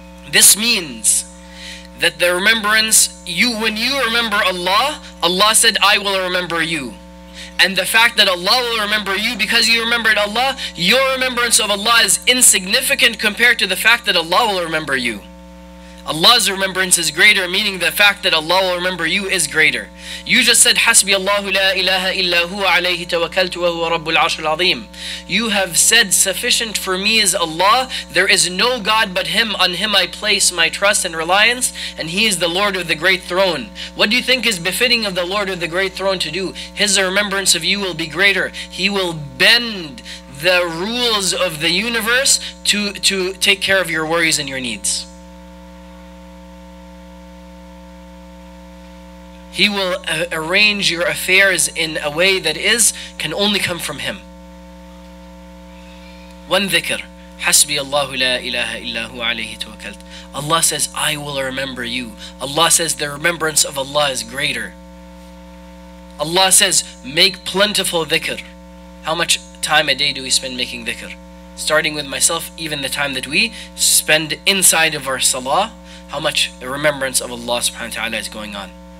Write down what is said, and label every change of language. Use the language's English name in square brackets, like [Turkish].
[English] This means that the remembrance, you, when you remember Allah, Allah said, I will remember you. And the fact that Allah will remember you because you remembered Allah, your remembrance of Allah is insignificant compared to the fact that Allah will remember you. Allah's remembrance is greater, meaning the fact that Allah will remember you is greater. You just said, [Arabic] حَسْبِيَ اللَّهُ لَا إِلَهَ إِلَّا هُوَ عَلَيْهِ تَوَكَّلْتُ وَهُوَ رَبُّ الْعَرْشِ الْعَظِيمِ. [English] You have said, sufficient for me is Allah. There is no God but Him. On Him I place my trust and reliance. And He is the Lord of the Great Throne. What do you think is befitting of the Lord of the Great Throne to do? His remembrance of you will be greater. He will bend the rules of the universe to take care of your worries and your needs. He will arrange your affairs in a way that is, can only come from Him. One dhikr, [Arabic] حسبي الله لا إله إلا هو عليه توكلت. [English] Allah says, I will remember you. Allah says, the remembrance of Allah is greater. Allah says, make plentiful dhikr. How much time a day do we spend making dhikr? Starting with myself, even the time that we spend inside of our salah, how much remembrance of Allah subhanahu wa ta'ala is going on.